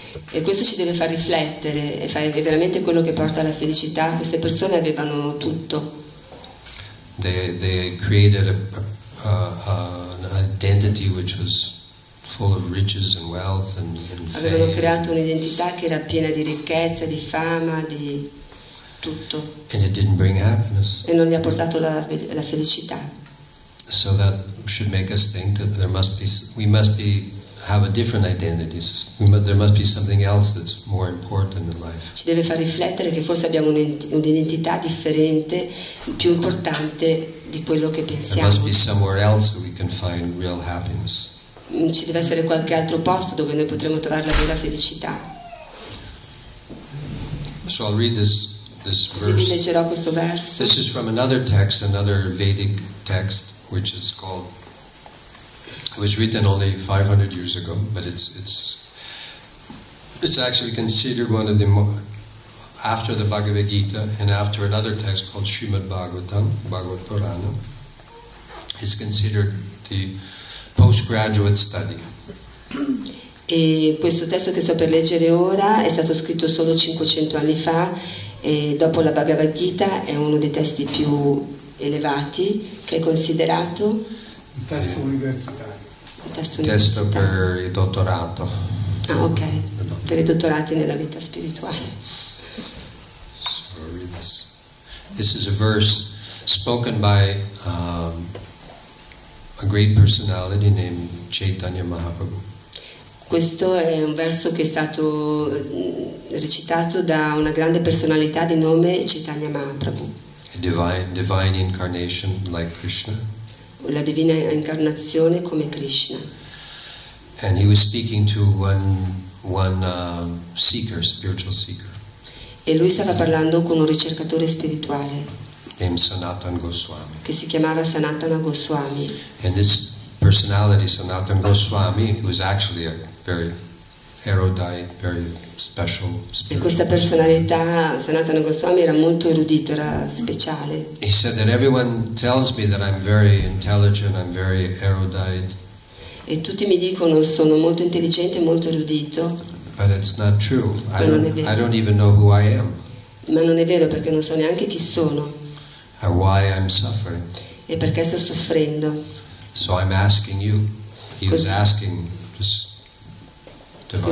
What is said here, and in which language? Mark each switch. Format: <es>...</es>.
<it>E questo ci deve far riflettere, e è veramente quello che porta alla felicità. Queste persone avevano tutto.</it> <en>They created an identity which was full of riches and wealth and fame.</en> <it>Avevano creato un'identità che era piena di ricchezza, di fama, di tutto.</it> <en>And it didn't bring happiness.</en> <it>E non gli ha portato la felicità.</it> <en>So that should make us think that we must have a different identity. There must be something else that's more important in life.</en> <it>Ci deve far riflettere che forse abbiamo un'identità differente, più importante di quello che pensiamo.</it> <en>There must be somewhere else that we can find real happiness.</en> <it>Ci deve essere qualche altro posto dove noi potremo trovare la vera felicità.</it> <en>So I'll read this verse.</en> <it>Quindi leggerò questo verso.</it> <en>This is from another text, another Vedic text, which is called. It was written only 500 years ago, but it's actually considered one of the more, after the Bhagavad Gita and after another text called Srimad Bhagavatam, Bhagavad Purana, is considered the postgraduate study.</en> <it>E questo testo che sto per leggere ora è stato scritto solo 500 anni fa, e dopo la Bhagavad Gita è uno dei testi più elevati, che è considerato il testo universitario. Il testo universitario. Testo per il dottorato. Ah, ok. Per i dottorati nella vita spirituale.</it> <en>Sorry, this is a verse spoken by a great personality named Chaitanya Mahaprabhu.</en> <it>Questo è un verso che è stato recitato da una grande personalità di nome Chaitanya Mahaprabhu.</it> <en>A divine incarnation like Krishna.</en> <it>La divina incarnazione come Krishna.</it> <en>And he was speaking to one seeker, spiritual seeker.</en> <it>E lui stava parlando con un ricercatore spirituale.</it> <en>named Sanatan Goswami.</en> <it>Che si chiamava Sanatana Goswami.</it> <en>And this personality, Sanatan Goswami, who is actually a very erudite, very special spiritual.</en> <it>E questa personalità, Sanatana Goswami, era molto erudito, era speciale.</it> <en>He said that everyone tells me that I'm very intelligent, I'm very erudite.</en> <it>E tutti mi dicono sono molto intelligente e molto erudito.</it> <en>But it's not true. I don't even know who I am.</en> <it>Ma non è vero perché non so neanche chi sono.</it> <en>Or why I'm suffering.</en> <it>E perché sto soffrendo.</it> <en>So I'm asking you. He was asking this divine</en>